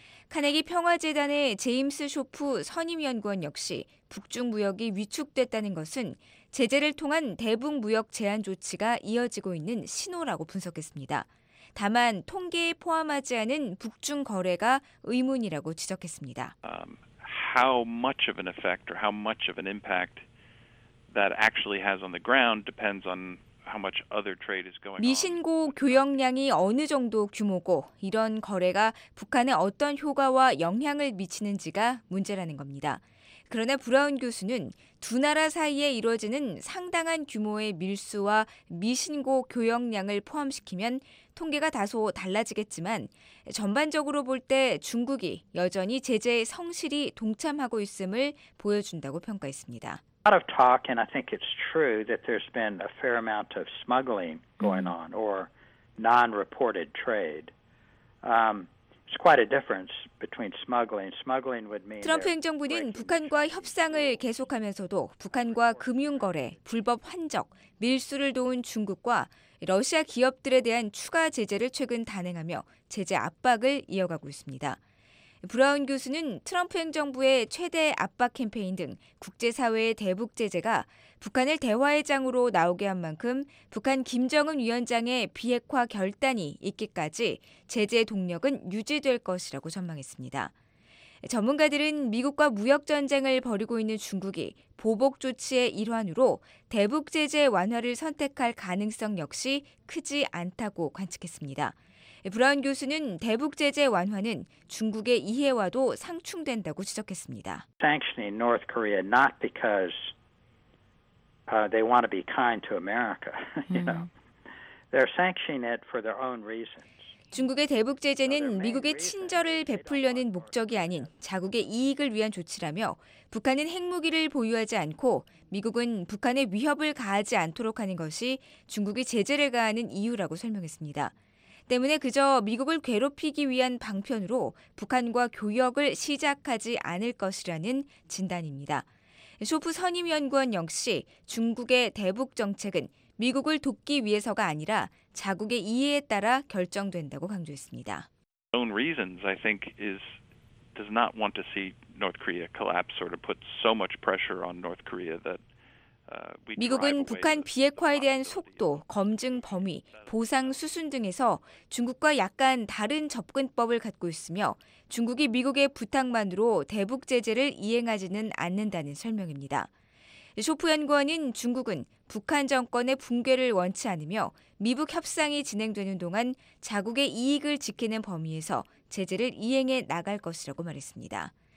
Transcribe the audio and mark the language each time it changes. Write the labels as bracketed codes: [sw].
[ko] 카네기 평화재단의 제임스 쇼프 선임연구원 역시 북중 무역이 위축됐다는 것은 제재를 통한 대북 무역 제한 조치가 이어지고 있는 신호라고 분석했습니다. 다만 통계에 포함하지 않은 북중 거래가 의문이라고 지적했습니다. [en] How much of an effect or how much of an impact that actually has on the ground depends on how much other trade is going on. [ko] 미신고 교역량이 어느 정도 규모고 이런 거래가 북한에 어떤 효과와 영향을 미치는지가 문제라는 겁니다. 그러나 브라운 교수는 두 나라 사이에 이루어지는 상당한 규모의 밀수와 미신고 교역량을 포함시키면 통계가 다소 달라지겠지만 전반적으로 볼 때 중국이 여전히 제재에 성실히 동참하고 있음을 보여준다고 평가했습니다. [en] A lot of talk, and I think it's true that there's been a fair amount of smuggling going on or non-reported trade. It's quite a difference between smuggling. Smuggling would mean [ko] 트럼프 행정부는 북한과 협상을 계속하면서도 북한과 금융 거래, 불법 환적, 밀수를 도운 중국과 러시아 기업들에 대한 추가 제재를 최근 단행하며 제재 압박을 이어가고 있습니다. 브라운 교수는 트럼프 행정부의 최대 압박 캠페인 등 국제사회의 대북 제재가 북한을 대화의 장으로 나오게 한 만큼 북한 김정은 위원장의 비핵화 결단이 있기까지 제재 동력은 유지될 것이라고 전망했습니다. 전문가들은 미국과 무역전쟁을 벌이고 있는 중국이 보복 조치의 일환으로 대북 제재 완화를 선택할 가능성 역시 크지 않다고 관측했습니다. 브라운 교수는 대북 제재 완화는 중국의 이해와도 상충된다고 지적했습니다. [en] Sanctioning North Korea not because they want to be kind to America. They're sanctioning it for their own reasons. [ko] 중국의 대북 제재는 미국의 친절을 베풀려는 목적이 아닌 자국의 이익을 위한 조치라며 북한은 핵무기를 보유하지 않고 미국은 북한에 위협을 가하지 않도록 하는 것이 중국이 제재를 가하는 이유라고 설명했습니다. 때문에 그저 미국을 괴롭히기 위한 방편으로 북한과 교역을 시작하지 않을 것이라는 진단입니다. 쇼프 선임연구원 역시 중국의 대북 정책은 미국을 돕기 위해서가 아니라 자국의 이해에 따라 결정된다고 강조했습니다. [en] Own reasons, I think, is does not want to see North Korea collapse or to put so much pressure on North Korea that. [ko] 미국은 북한 비핵화에 대한 속도, 검증 범위, 보상 수순 등에서 중국과 약간 다른 접근법을 갖고 있으며 중국이 미국의 부탁만으로 대북 제재를 이행하지는 않는다는 설명입니다. 쇼프 연구원은 중국은 북한 정권의 붕괴를 원치 않으며 미북 협상이 진행되는 동안 자국의 이익을 지키는 범위에서 제재를 이행해 나갈 것이라고 말했습니다.